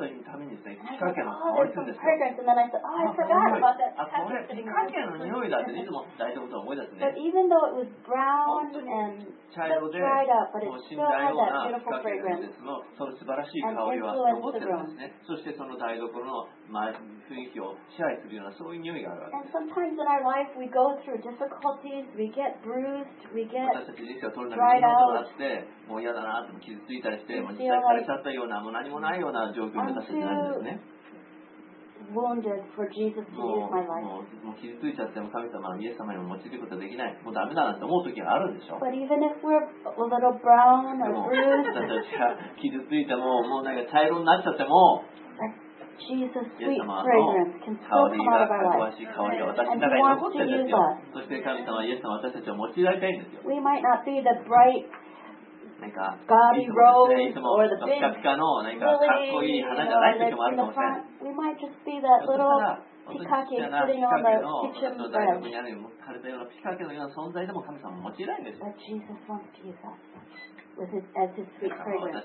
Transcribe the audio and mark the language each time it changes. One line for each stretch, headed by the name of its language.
English: But even though it was brown and dried up, but it still had that beautiful fragrance. And sometimes in our life we go through difficulties, we get bruised, we get dried out.
Japanese: もう嫌だなと傷ついたりして、もう実際疲れちゃったような、もう何もないような状況に私になるんですね。
English: wounded for Jesus to use my life.
Japanese: もう傷ついちゃっても神様はイエス様にも用いることできない。もうダメだなって思う時があるでしょ。
English: But even if we're a little brown or bruised,
Japanese: 私たちが傷ついてももうなんか茶色になっちゃっても、
English: Jesus' sweet fragrance can still come out of our lives. And to use us.
Japanese: そして神様、イエス様、私たちを用いたいんですよ。
English: We might not be the bright. Gaudy rose, or the big lily, or the sitting on the kitchen bench. But Jesus wants to use us with his, as his sweet fragrance.